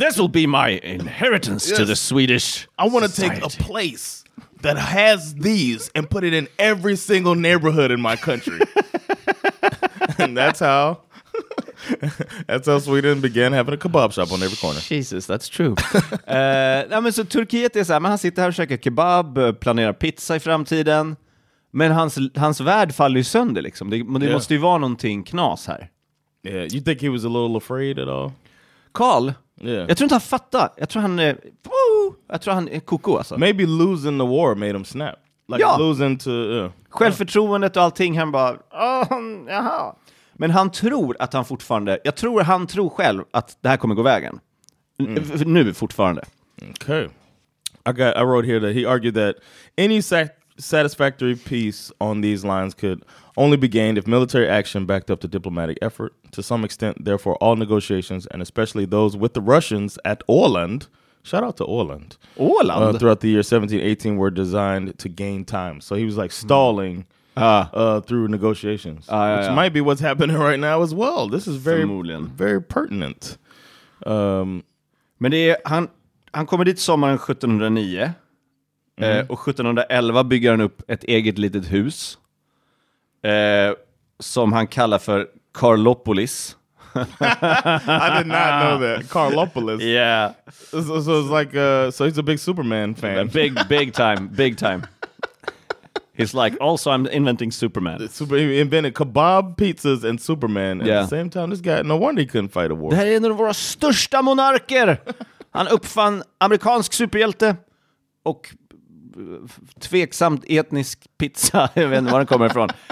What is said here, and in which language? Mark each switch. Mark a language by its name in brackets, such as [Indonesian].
[English] This will be my inheritance to the Swedish I want to take a place that has these and put it in every single neighborhood in my country. And that's how Sweden began having a kebab shop on every corner. Jesus, that's true. [Swedish] men så Turkiet är så här, men han sitter här och käkar kebab, planerar pizza i framtiden. Men hans värld faller ju sönder liksom. Det måste ju vara någonting knas här. [English] Yeah, you think he was a little afraid at all? Carl? Yeah. [Swedish] Jag tror inte han fattar. Jag tror han är koko alltså. [English] Maybe losing the war made him snap. Like losing to... [Swedish] Självförtroendet och allting, han bara... jaha. Men han tror att han fortfarande... Jag tror han tror själv att det här kommer gå vägen. Nu fortfarande. [English] Okay. I wrote here that he argued that any satisfactory peace on these lines could only be gained if military action backed up the diplomatic effort. To some extent, therefore, all negotiations, and especially those with the Russians at Åland... Shout out to Åland. Åland? Throughout the year 1718 were designed to gain time. So he was like stalling... Mm. Through negotiations, which might be what's happening right now as well. This is very, very pertinent. [Swedish] Men det är, han kommer dit sommaren 1709. Och 1711 bygger han upp ett eget litet hus. Som han kallar för Karlopolis. [English] I did not know that. Karlopolis. Yeah. So it's like, so he's a big Superman fan. Big time. He's like, also I'm inventing Superman. He invented kebab pizzas and Superman. Yeah. At the same time, this guy, no wonder he couldn't fight a war. [Swedish] Det här är en av våra största monarker. Han uppfann amerikansk superhjälte och tveksamt etnisk pizza. Jag vet inte var den kommer ifrån.